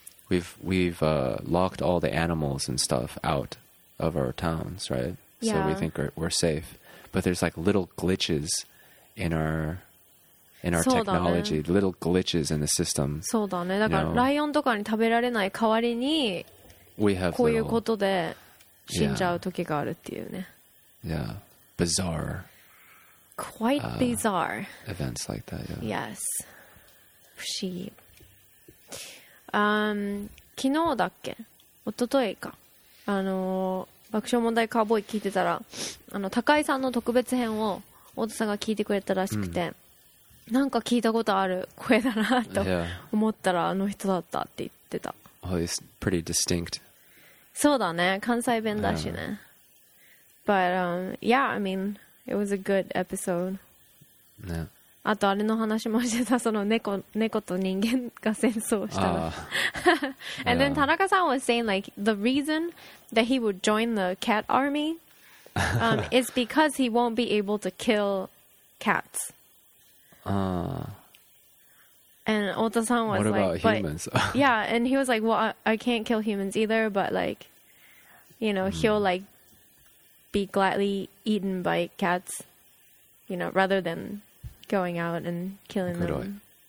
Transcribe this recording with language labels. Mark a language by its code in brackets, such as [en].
[en] We've locked all the animals and stuff out of our towns, right? Yeah. So we think we're safe. But there's like little glitches in our technology, little glitches in the system. [ja] そうだね。だから、you know, ライオンとかに食べられない代わりに、 [en] we have [ja] こういうことで死んじゃう時があるっていうね。 [en] Yeah. Bizarre. Quite bizarre. Events like that, yeah. [ja] Yes. 不思議。昨日だっけ?一昨日か。爆笑問題カーボーイ聞いてたら高井さんの特別編を太田さんが聞いてくれたらしくて、うん、なんか聞いたことある声だなと思ったら、 [en] yeah. [ja] あの人だったって言ってた。 [en] Well, it's pretty distinct. [ja] そうだね、関西弁だしね。 [en] But yeah, I mean, it was a good episode. Yeah. [ja] あとあれの話もしてた、その 猫と人間が戦争したら、yeah. [en] And then Tanaka-san was saying like the reasonthat he would join the cat army is because he won't be able to kill cats. And Ota-san was what like, about humans? yeah, and he was like, well, I can't kill humans either, but like, you know, he'll like be gladly eaten by cats, you know, rather than going out and killing them.